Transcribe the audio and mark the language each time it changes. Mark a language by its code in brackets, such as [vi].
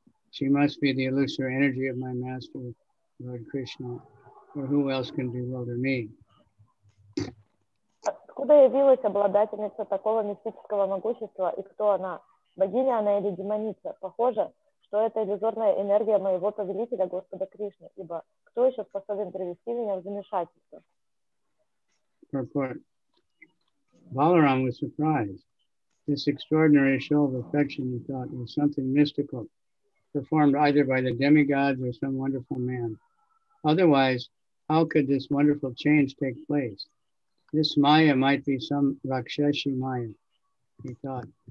[en] She must be the illusory energy of my master, Lord Krishna, or who else can bewilder me? [ru] Откуда явилась обладательница такого мистического могущества, и кто она? Богиня она или демоница? Похоже, что это иллюзорная энергия моего повелителя, Господа Кришны, ибо кто еще способен привести меня в замешательство? [en] Purport. Balaram was surprised. This extraordinary show of affection, he thought, was something mystical, performed either by the demigods or some wonderful man. Otherwise, how could this wonderful change take place? This Maya might be some Rakshashi Maya, he thought.